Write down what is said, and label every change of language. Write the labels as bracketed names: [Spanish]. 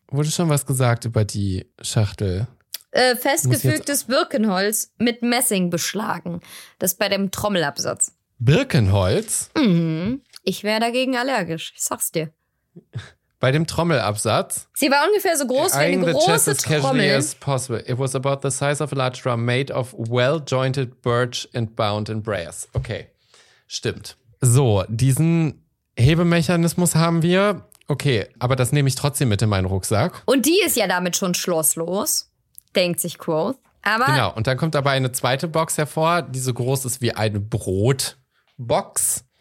[German] Wurde schon was gesagt über die Schachtel? Festgefügtes Birkenholz mit Messing beschlagen. Das ist bei dem Trommelabsatz. Birkenholz? Mhm. Ich wäre dagegen allergisch. Ich sag's dir. Bei dem Trommelabsatz. Sie war ungefähr so groß wie eine große Trommel. [English] As casually as possible. It was about the size of a large drum made of well-jointed birch and bound in brass. [German] Okay, stimmt. So, diesen Hebemechanismus haben wir. Okay, aber das nehme ich trotzdem mit in meinen Rucksack. Und die ist ja damit schon schlosslos, denkt sich Quoth. Aber genau, und dann kommt dabei eine zweite Box hervor, die so groß ist wie eine Brotbox.